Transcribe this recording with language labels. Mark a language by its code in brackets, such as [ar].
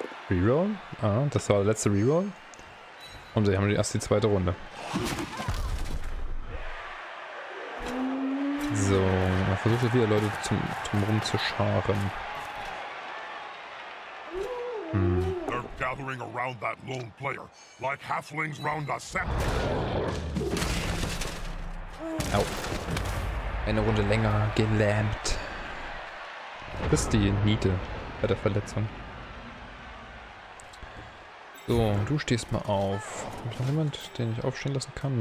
[de] Reroll? Ah, das war der letzte Reroll. Und wir haben erst die zweite Runde. So, man versucht jetzt wieder Leute zum rumzuscharen. [en] They're gathering around that lone player, like halflings round a set. Au. [de] Eine Runde länger gelähmt. Bis die Niete bei der Verletzung. So, du stehst mal auf. Hab ich noch jemand, den ich aufstehen lassen kann?